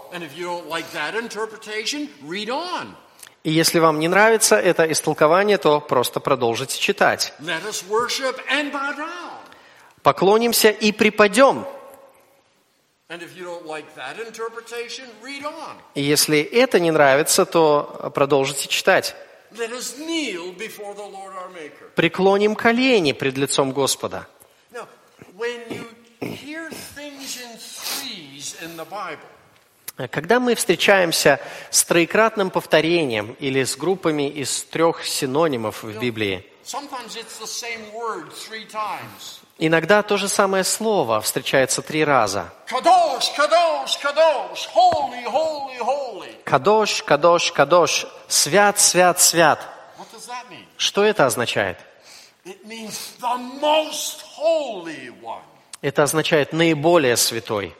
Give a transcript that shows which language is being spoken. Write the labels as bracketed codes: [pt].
[en] And if you don't like that interpretation, read on. [ru] И если вам не нравится это истолкование, то просто продолжите читать. [en] Let us worship and bow down. [ru] Поклонимся и припадем. [en] And if you don't like that interpretation, read on. [ru] И если это не нравится, то продолжите читать. [en] Let us kneel before the Lord our Maker. [ru] Преклоним колени пред лицом Господа. [en] Now, when you hear things in threes in the Bible, [ru] когда мы встречаемся с троекратным повторением или с группами из 3 синонимов в Библии, [en] sometimes it's the same word 3 times. [ru] Иногда то же самое слово встречается 3 раза. [he] Кадош, кадош, кадош, [en] holy, holy, holy. [ru] Кадош, кадош, кадош, свят, свят, свят. [en] What does that mean? [ru] Что это означает? [en] It means the most holy one. [ru] Это означает наиболее святой.